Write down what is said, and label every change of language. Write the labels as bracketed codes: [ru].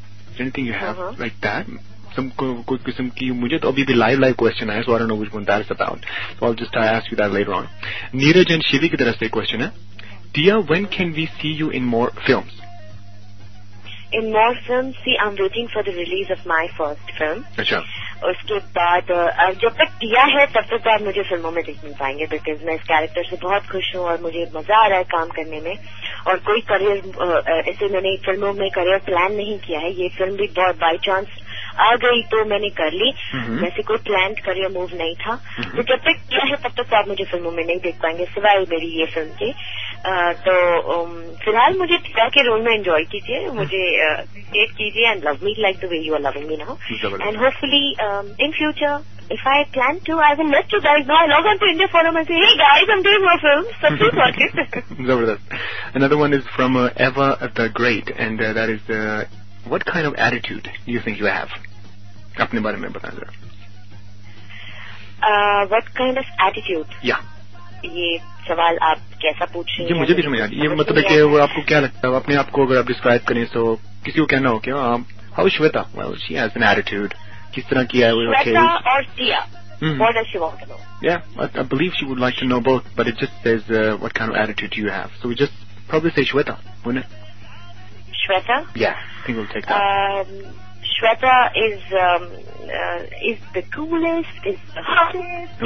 [en] Is there anything you have like that? Some quick [hi] kisam ki mujhe to abhi bhi live question aaya, [en] so I don't know which one that is about. So I'll just ask you that later on. Neeraj and Shivi [hi] ki taraf se question hai. [en] Tia, when can we see you in more films? In more films, see, I'm waiting for the release of my first film. [hi] अच्छा. उसके बाद जब तक दिया है तब तक आप मुझे फिल्मों में देखने पाएंगे बिकॉज मैं इस कैरेक्टर से बहुत खुश हूँ और मुझे मजा आ रहा है काम करने में और कोई करियर ऐसे मैंने फिल्मों में करियर प्लान नहीं किया है ये फिल्म भी बहुत बाई चांस आ गई तो मैंने कर ली वैसे कोई प्लान करियर मूव नहीं था तो जब तक किया है तब तक आप मुझे फिल्मों में नहीं देख पाएंगे सिवाय मेरी ये फिल्म के तो फिलहाल मुझे टिया के रोल में एंजॉय कीजिए मुझे डेट कीजिए [en] and love me like the way you are loving me now and hopefully in future if I plan to I will let you guys know I log on to India for a month hey guys I am doing my film [hi] सब ठीक हो गए [en] जबरदस्त another one is from ever the great and that is What kind of attitude do you think you have? [hi] अपने बारे में बता जरा. [en] What kind of attitude? Yeah. [hi] ये सवाल आप कैसा पूछ रहे हैं? ये मुझे भी समझ आ रही है. ये मतलब है कि वो आपको क्या लगता है? अपने आप को अगर आप डिस्क्राइब करें तो किसी को कहना हो कि how Shweta? [en] Well, she has an attitude. [hi] किस तरह की है वो? [en] Okay. Shweta or Tia? What does she want to know? Yeah, I believe she would like to know both, but it just says what kind of attitude do you have. So we just probably say Shweta, wouldn't it? Shweta? Yeah. I think we'll take that. Shweta is the coolest, is the hottest,